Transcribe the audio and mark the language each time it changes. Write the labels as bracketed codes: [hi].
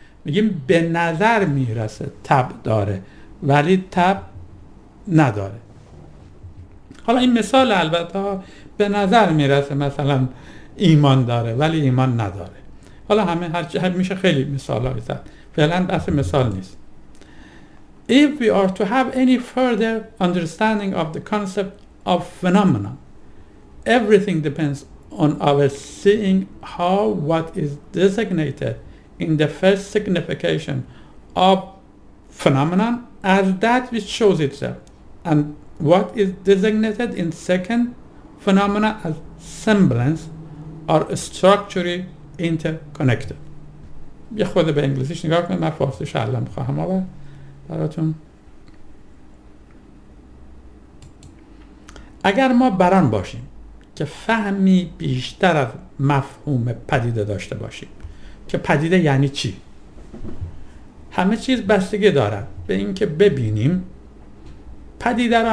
[fa] میگیم به نظر میرسه تب داره ولی تب نداره. حالا این مثال البته به نظر میرسه مثلا ایمان داره ولی ایمان نداره. حالا همه هر چه میشه خیلی مثال های زد، فعلا بحث مثال نیست. [en] If we are to have any further understanding of the concept of phenomena, everything depends on our seeing how what is designated in the first signification of phenomenon as that which shows itself and what is designated in second phenomena as semblance are structurally interconnected. [fa] یه خود به انگلیسیش نگاه کنید، من فارسی شعلم خواهم آور براتون. اگر ما بران باشیم که فهمی بیشتر از مفهوم پدیده داشته باشیم که پدیده یعنی چی، همه چیز بستگی دارد به اینکه ببینیم پدیده رو.